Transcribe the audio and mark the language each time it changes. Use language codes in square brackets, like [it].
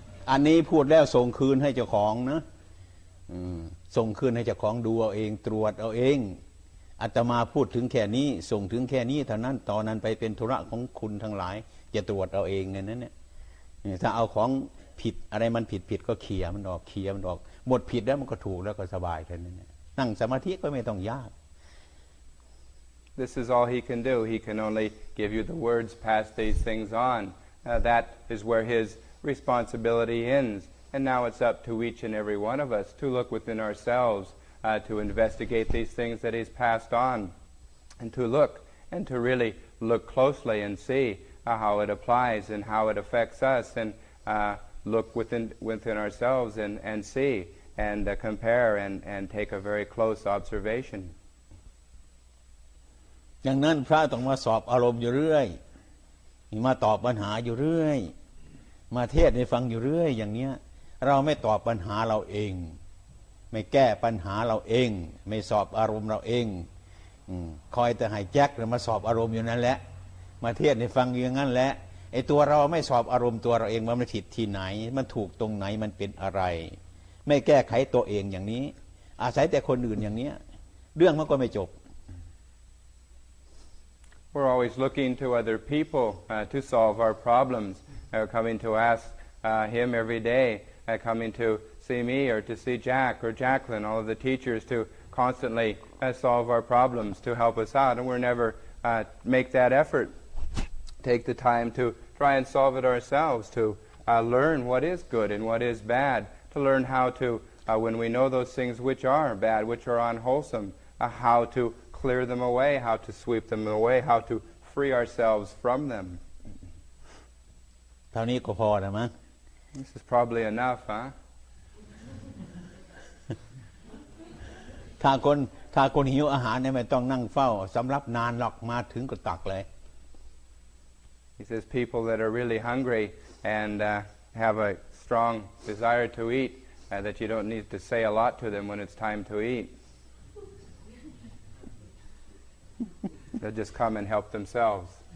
[th] อันนี้พูดแล้วส่งคืนให้เจ้าของนะส่งคืนให้เจ้าของดูเอาเองตรวจเอาเองอาตมาพูดถึงแค่นี้ส่งถึงแค่นี้เท่านั้นตอนนั้นไปเป็นธุระของคุณทั้งหลายจะตรวจเอาเองเงี้ยนั่นเนี่ยถ้าเอาของผิดอะไรมันผิดก็เคลียร์มันออกเคลียร์มันออกหมดผิดแล้วมันก็ถูกแล้วก็สบายแค่นั้นนั่งสมาธิก็ไม่ต้องยาก [en] This is all he can do. He can only give you the words, pass these things on. That is where his responsibility ends. And now it's up to each and every one of us to look within ourselves, to investigate these things that he's passed on, and to look and to really look closely and seeHow it applies and how it affects us, and look within ourselves and see and compare and take a very close observation. [th] ดังนั้นพระต้องมาสอบอารมณ์อยู่เรื่อยมาตอบปัญหาอยู่เรื่อยมาเทศให้ฟังอยู่เรื่อยอย่างเนี้ยเราไม่ตอบปัญหาเราเองไม่แก้ปัญหาเราเองไม่สอบอารมณ์เราเองคอยแต่ให้แจ็คมาสอบอารมณ์อยู่นั่นแหละมาเทศให้ฟังอยู่งั้นแหละไอ้ตัวเราไม่สอบอารมณ์ตัวเราเองว่ามันผิดที่ไหนมันถูกตรงไหนมันเป็นอะไรไม่แก้ไขตัวเองอย่างนี้อาศัยแต่คนอื่นอย่างนี้เรื่องมันก็ไม่จบ [en] We're always looking to other people to solve our problems coming to ask him every day coming to see me or to see Jack or Jacqueline all of the teachers to constantly solve our problems to help us out and we're never make that effortTake the time to try and solve it ourselves, to learn what is good and what is bad, to learn how to, when we know those things which are bad, which are unwholesome, how to clear them away, how to sweep them away, how to free ourselves from them. [th] เท่านี้ก็พอแล้วมั้ง [en] This is probably enough, huh? [th] ถ้าคนหิวอาหารเนี่ยไม่ต้องนั่งเฝ้าสำรับนานหรอกมาถึงก็ตักเลย [en] He says, people that are really hungry and have a strong desire to eat, that you don't need to say a lot to them when it's time to eat. They'll just come and help themselves.